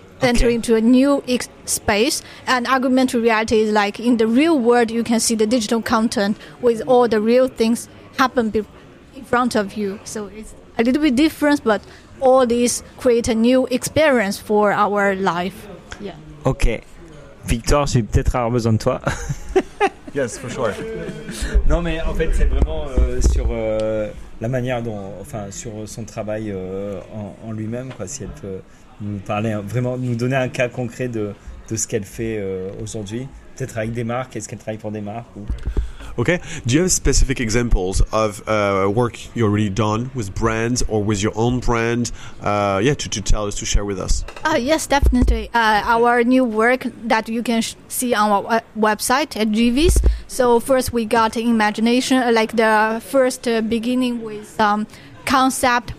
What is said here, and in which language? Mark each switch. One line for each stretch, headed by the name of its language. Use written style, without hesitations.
English: Entering into a new space, and augmented reality is like in the real world you can see the digital content with all the real things happen in front of you. So it's a little bit different, but all these create a new experience for our life. Yeah.
French: Okay, Victor, j'ai peut-être avoir besoin de toi.
English: Yes, for sure.
French: Non, mais en fait, c'est vraiment sur la manière dont, enfin, sur son travail en lui-même, quoi. Si elle peut nous parler, vraiment nous donner un cas concret de ce qu'elle fait aujourd'hui, peut-être avec des marques. Est-ce qu'elle travaille pour des marques ou...
English: Okay, do you have specific examples of work you've already done with brands or with your own brand? To tell us, to share with us. Yes, definitely. Our new work that you can see on our website at GVs. So first we got imagination, like the first beginning with concept.